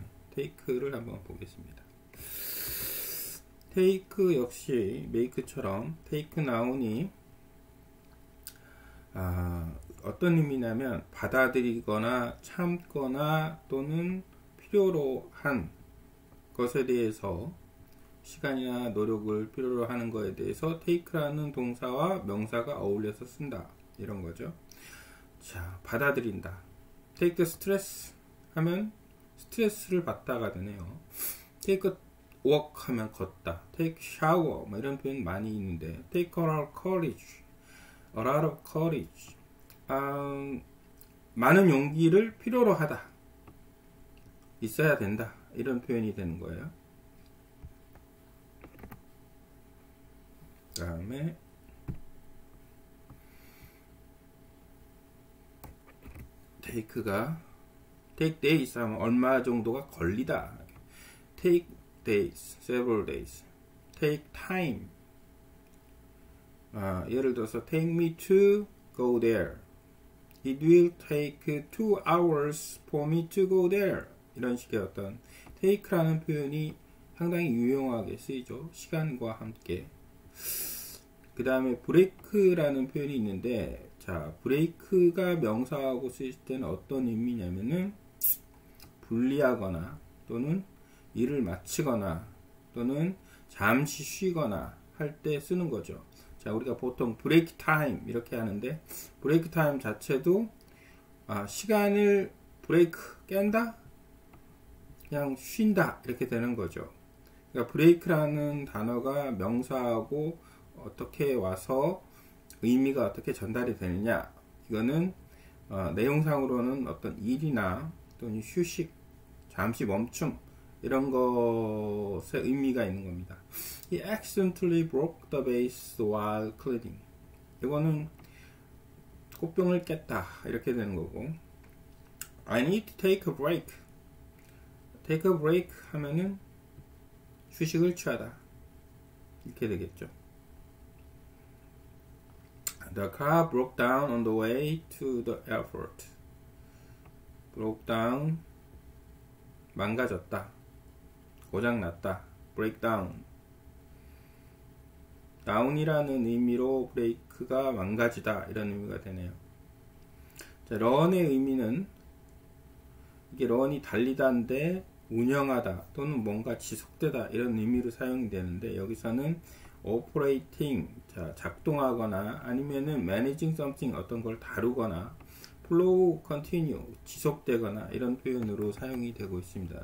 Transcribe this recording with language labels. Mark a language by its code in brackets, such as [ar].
[ko] 테이크를 한번 보겠습니다. 테이크 역시 메이크처럼 테이크 나온이 어떤 의미냐면 받아들이거나 참거나 또는 필요로 한 것에 대해서, 시간이나 노력을 필요로 하는 것에 대해서 테이크라는 동사와 명사가 어울려서 쓴다 이런 거죠. 자, 받아들인다. [en] Take the stress [ko] 하면 스트레스를 받다가 되네요. [en] Take a walk [ko] 하면 걷다. [en] Take shower [ko] 뭐 이런 표현 많이 있는데, [en] Take a lot of courage, a lot of courage. [ko] 많은 용기를 필요로 하다, 있어야 된다 이런 표현이 되는 거예요. 다음에 테이크가 [en] take days [ko] 하면 얼마 정도가 걸리다. [en] take days, several days, take time. [ko] 아, 예를 들어서 [en] take me to go there. It will take 2 hours for me to go there. [ko] 이런 식의 어떤 take라는 표현이 상당히 유용하게 쓰이죠. 시간과 함께. 그 다음에 break라는 표현이 있는데, 자, break가 명사하고 쓰일 때는 어떤 의미냐면은 분리하거나 또는 일을 마치거나 또는 잠시 쉬거나 할때 쓰는 거죠. 자, 우리가 보통 break time 이렇게 하는데, break time 자체도 시간을 break 깬다, 그냥 쉰다 이렇게 되는 거죠. 그러니까 break라는 단어가 명사하고 어떻게 와서 의미가 어떻게 전달이 되느냐, 이거는 내용상으로는 어떤 일이나 또는 휴식, 잠시 멈춤 이런 것에 의미가 있는 겁니다. [en] He accidentally broke the vase while cleaning. [ko] 이거는 꽃병을 깼다 이렇게 되는 거고, [en] I need to take a break. [ko] Take a break 하면은 휴식을 취하다 이렇게 되겠죠. [en] The car broke down on the way to the airport. Broke down, [ko] 망가졌다, 고장 났다, breakdown. down이라는 의미로 브레이크가 망가지다 이런 의미가 되네요. 자, run의 의미는 이게 run이 달리다인데 운영하다 또는 뭔가 지속되다 이런 의미로 사용되는데, 여기서는 operating, 자, 작동하거나 아니면은 [en] managing something, [ko] 어떤 걸 다루거나 flow, continue, 지속되거나 이런 표현으로 사용이 되고 있습니다.